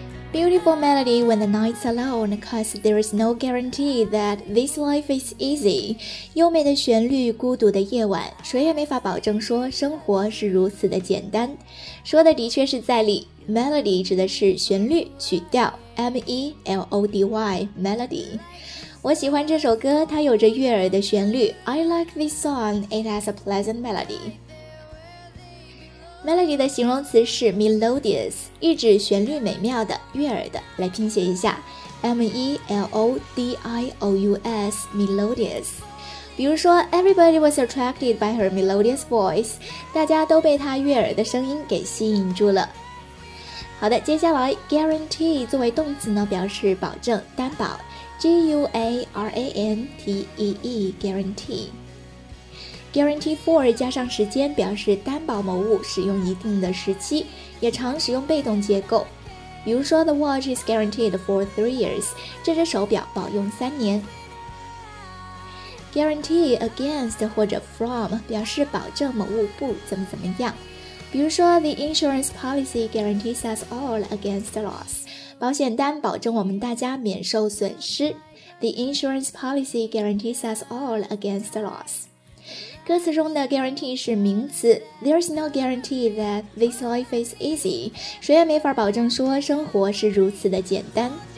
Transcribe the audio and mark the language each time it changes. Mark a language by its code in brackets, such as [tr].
[en] Beautiful melody when the night's alone, cause there is no guarantee that this life is easy. [zh] 优美的旋律，孤独的夜晚，谁也没法保证说生活是如此的简单。说的的确是在理。 Melody 指的是旋律、曲调 ，M-E-L-O-D-Y, melody。我喜欢这首歌，它有着悦耳的旋律。 [en] I like this song. It has a pleasant melody. [zh] Melody 的形容词是 melodious， 意指旋律美妙的、悦耳的。来拼写一下 M-E-L-O-D-I-O-U-S melodious。比如说 [en] Everybody was attracted by her melodious voice， [zh] 大家都被她悦耳的声音给吸引住了。好的，接下来 guarantee 作为动词呢，表示保证、担保， G-U-A-R-A-N-T-E-E guaranteeGuarantee for 加上时间，表示担保某物使用一定的时期，也常使用被动结构。 [en] 比如说 The watch is guaranteed for 3 years， [zh] 这只手表保用3年。 Guarantee against 或者 from 表示保证某物不怎么怎么样。 [en] 比如说 The insurance policy guarantees us all against loss， [zh] 保险单保证我们大家免受损失。 [en] The insurance policy guarantees us all against loss。 [zh] 歌词中的 guarantee 是名词， [en] There's no guarantee that this life is easy， [zh] 谁也没法保证说生活是如此的简单。